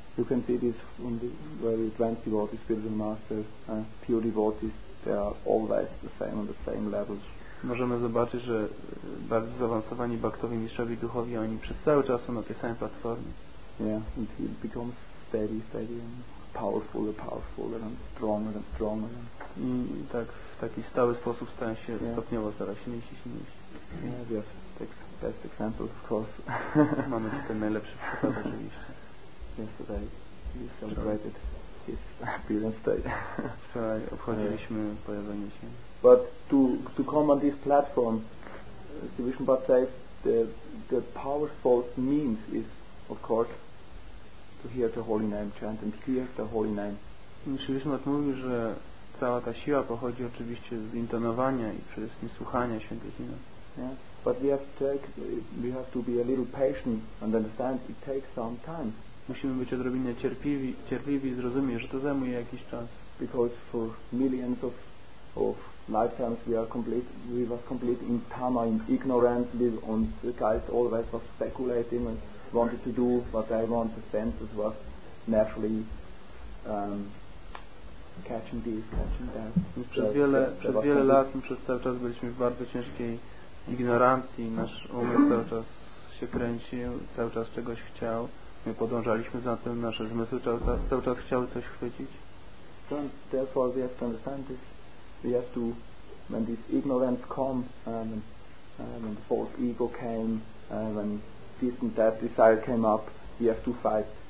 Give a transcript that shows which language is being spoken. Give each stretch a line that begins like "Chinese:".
English: You can see this on the very advanced devotees, spiritual masters, pure devotees, they are always the same on the same level.
Polish: Możemy zobaczyć, że bardzo zaawansowani baktowie, mistrzowie duchowi, oni przez cały czas są na tej samej platformie.
English: Yeah, and it becomes steady and powerfuler, powerfuler and stronger and stronger.
Polish: I tak w taki stały sposób staje się stopniowo coraz silniejszy, silniejszy.
English: Yeah, yes, best example of course.
Polish: Mamy tutaj najlepszy przykład oczywiście.
English: Yesterday we celebrated his appearance day.
Polish: Wczoraj obchodziliśmy pojawienie się.
English: But to come on this platform, Vishnu Pad says the powerful means is of course to hear the holy name chant and hear the holy name.
Polish: Vishnu Pad mówi, że cała ta siła pochodzi oczywiście z intonowania i przede wszystkim słuchania świętych imion.
English: Yeah. But we have to be a little patient and understand it takes some time.
Polish: Musimy być odrobinę cierpliwi i zrozumieć, że to zajmuje jakiś czas.
English: Because for millions of lifetimes we were complete in tama, in ignorance, live on the guys always was speculating and wanted to do what they want, the senses was naturally catching this, catching that.
Polish: Przez wiele lat my przez cały czas byliśmy w bardzo ciężkiej ignorancji, nasz umysł cały czas się kręcił, cały czas czegoś chciał. My podążaliśmy za tym, nasze zmysły cały czas chciały coś chwycić.
English: Therefore we have to understand this. We have to, when this ignorance comes, when the false ego came, when this and that desire came up, we have to fight.